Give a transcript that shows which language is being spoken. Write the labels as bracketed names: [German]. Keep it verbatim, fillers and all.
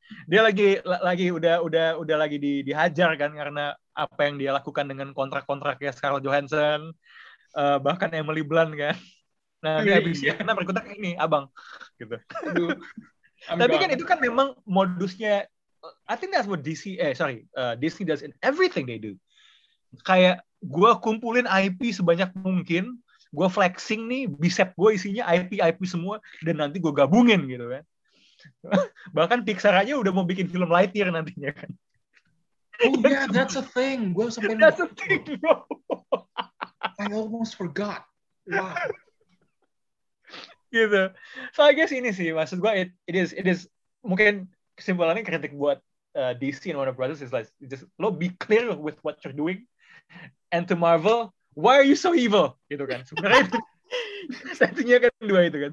[Indonesian] Dia lagi lagi udah udah udah lagi di, dihajar kan karena apa yang dia lakukan dengan kontrak-kontraknya Scarlett Johansson, uh, bahkan Emily Blunt kan. Nah, dia habis iya. karena berkutat ini abang gitu. Aduh, tapi gone. Kan itu kan memang modusnya. [English] I think that's what D C eh sorry uh, Disney does in everything they do. [Indonesian] Kayak gue kumpulin I P sebanyak mungkin, gue flexing nih, bicep gue isinya I P I P semua, dan nanti gue gabungin gitu kan. Bahkan Pixar aja udah mau bikin film Lightyear nantinya kan. [English] Oh yeah, that's a thing. [Indonesian] Gue sampai [English] that's a thing, bro. I almost forgot. Wow. [Indonesian] Gitu. [English] So I guess [Indonesian] ini sih maksud gue [English] it, it is it is [Indonesian] mungkin kesimpulannya kritik buat [English] uh, D C and Warner Brothers is like just lo be clear with what you're doing, and to Marvel, why are you so evil? [Indonesian] Gitu kan. Sebenarnya satunya kan dua itu kan.